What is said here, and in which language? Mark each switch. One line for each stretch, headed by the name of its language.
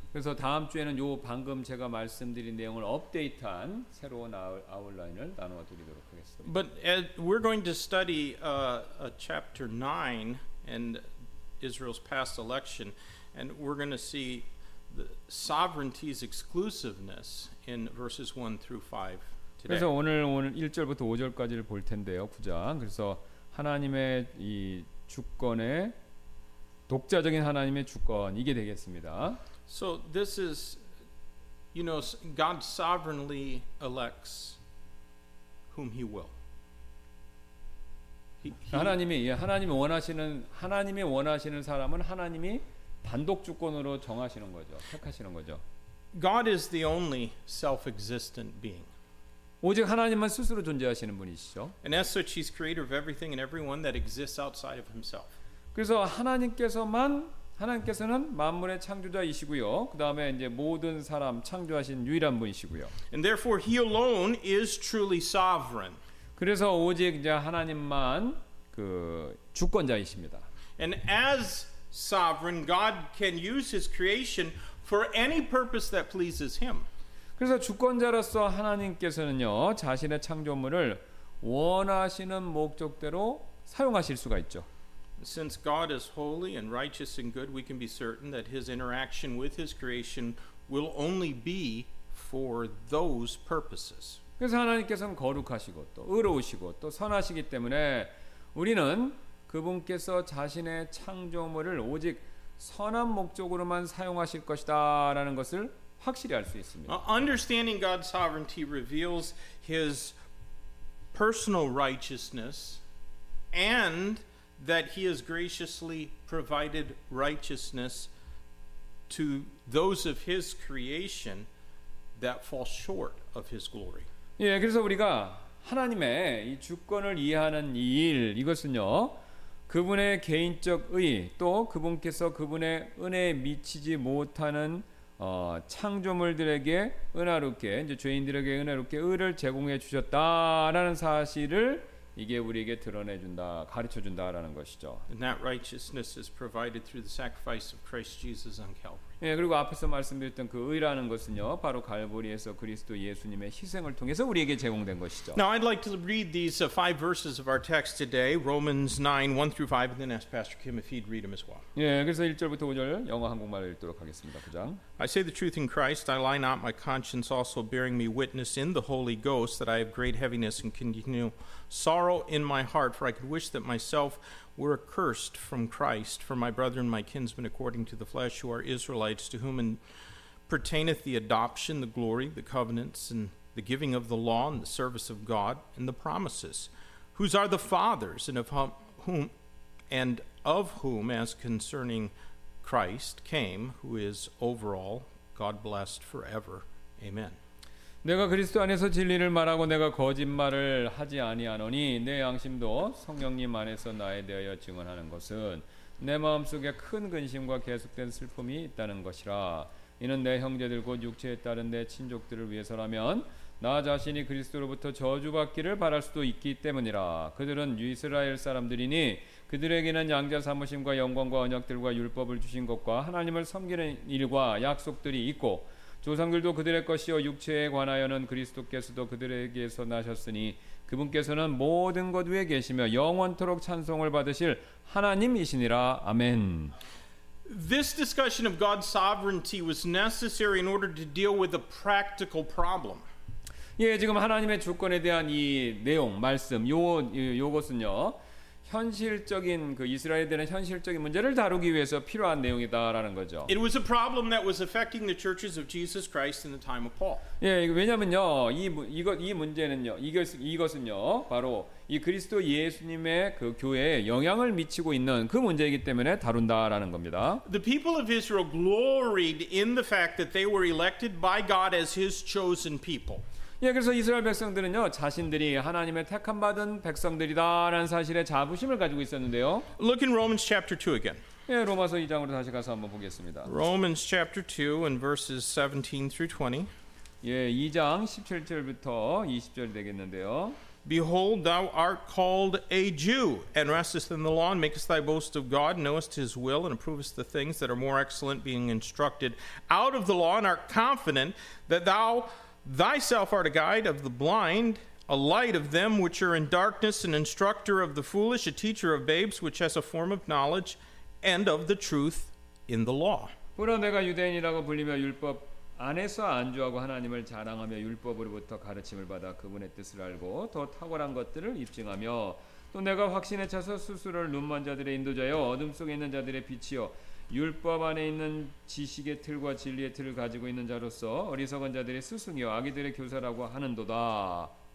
Korean: 그래서 다음 주에는 요 방금 제가 말씀드린 내용을 업데이트한 새로운 아웃라인을 나누어 드리도록 하겠습니다.
English: But we're going to study chapter 9 and Israel's past election and we're going to see the sovereignty's exclusiveness in verses 1 through 5 today.
Korean: 그래서 오늘 1절부터 5절까지를 볼 텐데요. 9장. 그래서 하나님의 이 주권의 독자적인 하나님의 주권 이게 되겠습니다.
English: So this is, you know, God sovereignly elects whom He will.
Korean: He 하나님이 원하시는 사람은 하나님이 단독 주권으로 정하시는 거죠. 택하시는 거죠.
English: God is the only self-existent being.
Korean: 오직 하나님만 스스로 존재하시는 분이시죠.
English: And as such, He's creator of everything and everyone that exists outside of Himself.
Korean: 그래서 하나님께서는 만물의 창조자이시고요. 그다음에 이제 모든 사람 창조하신 유일한 분이시고요.
English: And therefore he alone is truly sovereign.
Korean: 그래서 오직 이제 하나님만 그 주권자이십니다.
English: And as sovereign God can use his creation for any purpose that pleases him.
Korean: 그래서 주권자로서 하나님께서는요. 자신의 창조물을 원하시는 목적대로 사용하실 수가 있죠.
English: Since God is holy and righteous and good, we can be certain that His interaction with His creation will only be for those purposes.
Korean: 그래서 하나님께서는 거룩하시고 또 의로우시고 또 선하시기 때문에 우리는 그분께서 자신의 창조물을 오직 선한 목적으로만 사용하실 것이다라는 것을 확실히 알 수 있습니다.
English: Understanding God's sovereignty reveals His personal righteousness and that he has graciously provided righteousness to those of his creation that fall short of his glory.
Korean: 예, 그래서 우리가 하나님의 이 주권을 이해하는 일 이것은요. 그분의 개인적 의 또 그분께서 그분의 은혜에 미치지 못하는 창조물들에게 은혜롭게 이제 죄인들에게 은혜롭게 의를 제공해 주셨다라는 사실을 이게 우리에게 드러내 준다, 가르쳐 준다라는 것이죠.
English: And that righteousness is provided through the sacrifice of Christ Jesus on Calvary.
Korean: 예, 그리고 앞에서 말씀드렸던 그 의라는 것은요, 바로 갈보리에서 그리스도 예수님의 희생을 통해서 우리에게 제공된 것이죠.
English: Now I'd like to read these five verses of our text today, Romans 9:1-5, and then ask Pastor Kim if he'd read them as well.
Korean: 예, 그래서 1절부터 5절 영어 한국말을 읽도록 하겠습니다. 그장.
English: I say the truth in Christ, I lie not, my conscience also bearing me witness in the Holy Ghost that I have great heaviness and continual sorrow in my heart, for I could wish that myself were accursed from Christ for my brethren, my kinsmen, according to the flesh, who are Israelites, to whom pertaineth the adoption, the glory, the covenants, and the giving of the law, and the service of God, and the promises, whose are the fathers, and of whom, as concerning Christ came, who is over all, God blessed forever. Amen.
Korean: 내가 그리스도 안에서 진리를 말하고 내가 거짓말을 하지 아니하노니 내 양심도 성령님 안에서 나에 대하여 증언하는 것은 내 마음속에 큰 근심과 계속된 슬픔이 있다는 것이라. 이는 내 형제들 곧 육체에 따른 내 친족들을 위해서라면 나 자신이 그리스도로부터 저주받기를 바랄 수도 있기 때문이라. 그들은 이스라엘 사람들이니 그들에게는 양자 삼으심과 영광과 언약들과 율법을 주신 것과 하나님을 섬기는 일과 약속들이 있고 조상들도 그들의 것이요 육체에 관하여는 그리스도께서도 그들에게서 나셨으니 그분께서는 모든 것 위에 계시며 영원토록 찬송을 받으실 하나님이시니라. 아멘.
English: This discussion of God's sovereignty was necessary in order to deal with a practical problem.
Korean: 예, 지금 하나님의 주권에 대한 이 내용 말씀 요것은요. 현실적인 그 이스라엘에 대한 현실적인 문제를 다루기 위해서 필요한 내용이다라는 거죠.
English: It was a problem that was affecting the churches of Jesus Christ in the time of Paul.
Korean: 예, 왜냐면요. 이 문제는요. 이것은요. 바로 이 그리스도 예수님의 그 교회에 영향을 미치고 있는 그 문제이기 때문에 다룬다라는 겁니다.
English: The people of Israel gloried in the fact that they were elected by God as his chosen people.
Korean: 예, 그래서 이스라엘 백성들은요 자신들이 하나님의 택함 받은 백성들이다라는 사실에 자부심을 가지고 있었는데요.
English: Look in Romans chapter 2 again.
Korean: 예, 로마서 2장으로 다시 가서 한번 보겠습니다.
English: Romans chapter 2 and verses 17 through 20.
Korean: 예, 2장 17절부터 20절 되겠는데요.
English: Behold, thou art called a Jew, and restest in the law, and makest thy boast of God, knowest his will, and approvest the things that are more excellent, being instructed out of the law, and art confident that thou thyself art a guide of the blind, a light of them which are in darkness, an instructor of the foolish, a teacher of babes, which has a form of knowledge, and of the truth in the law.
Korean: 보라, 내가 유대인이라고 불리며 율법 안에서 안주하고 하나님을 자랑하며 율법으로부터 가르침을 받아 그분의 뜻을 알고 더 탁월한 것들을 입증하며 또 내가 확신에 차서 스스로를 눈먼 자들의 인도자여 어둠 속에 있는 자들의 빛이여 율법 안에 있는 지식의 틀과 진리의 틀을 가지고 있는 자로서 어리석은 자들의 스승이요 아기들의 교사라고 하는도다.